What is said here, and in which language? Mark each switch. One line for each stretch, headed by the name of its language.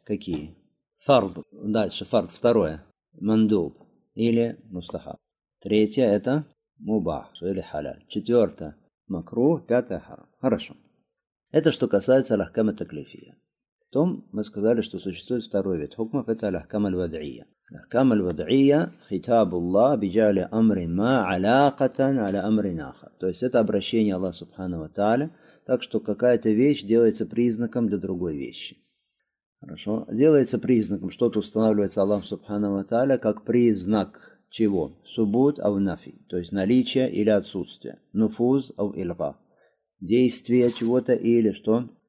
Russian: Какие? Фард. Дальше фард. Второе. Мандуб. Или мустахаб. Третье – это мубах. Или халяль. Четвертое – макрух. Пятое – харам. Хорошо. Это что касается аль-ахкам ат-таклифия. Потом мы сказали, что существует второй вид хукмов. Это аль-ахкам аль-вадъия.
Arabic: الأحكام الوضعية خطاب الله بجعل أمر ما علاقة على أمر آخر.
Russian: То есть это обращение Аллаха Субхана ва Тааля, так что какая-то вещь делается признаком для другой вещи. Хорошо? Делается признаком, что-то устанавливается Аллахом Субхана ва Тааля как признак чего?
Arabic: Субут ау нафи,
Russian: то есть наличие или отсутствие.
Arabic: Нуфуз ау илга,
Russian: действие чего-то или что?